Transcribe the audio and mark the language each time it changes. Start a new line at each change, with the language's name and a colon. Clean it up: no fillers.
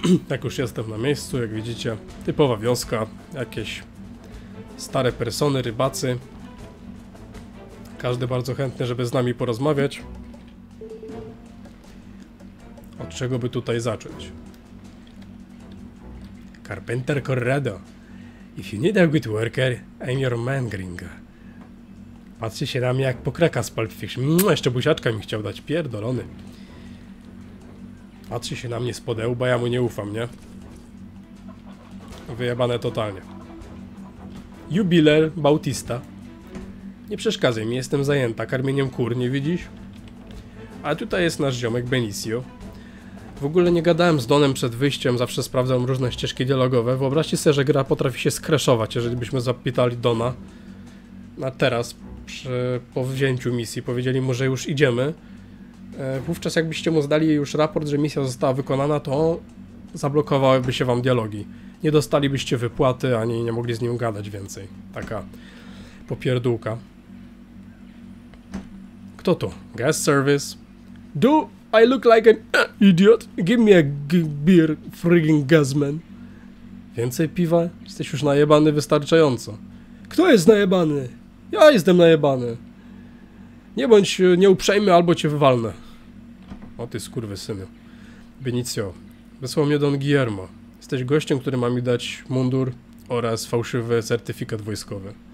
Polish: Jak już jestem na miejscu, jak widzicie, typowa wioska, jakieś stare persony, rybacy. Każdy bardzo chętny, żeby z nami porozmawiać. Od czego by tutaj zacząć? Carpenter Corrado.
English: If you need a good worker, I'm your man, gringa.
Polish: Patrzy się na mnie jak pokraka z Pulp Fiction. Jeszcze buziaczka mi chciał dać, pierdolony. Patrzy się na mnie z podełba, ja mu nie ufam, nie? Wyjebane totalnie. Jubiler Bautista. Nie przeszkadzaj mi, jestem zajęta karmieniem kur, nie widzisz? A tutaj jest nasz ziomek Benicio. W ogóle nie gadałem z Donem przed wyjściem, zawsze sprawdzam różne ścieżki dialogowe. Wyobraźcie sobie, że gra potrafi się skreszować, jeżeli byśmy zapytali Dona. A teraz, po wzięciu misji, powiedzieli mu, że już idziemy. Wówczas jakbyście mu zdali już raport, że misja została wykonana, to zablokowałyby się wam dialogi. Nie dostalibyście wypłaty, ani nie mogli z nim gadać więcej. Taka popierdółka. Kto tu? Guest service.
English: Do I look like an idiot? Give me a beer, freaking gasman.
Polish: Więcej piwa? Jesteś już najebany wystarczająco. Kto jest najebany? Ja jestem najebany. Nie bądź nieuprzejmy, albo cię wywalnę. O ty skurwysynu. Benicio, wysłał mnie Don Guillermo. Jesteś gościem, który ma mi dać mundur oraz fałszywy certyfikat wojskowy.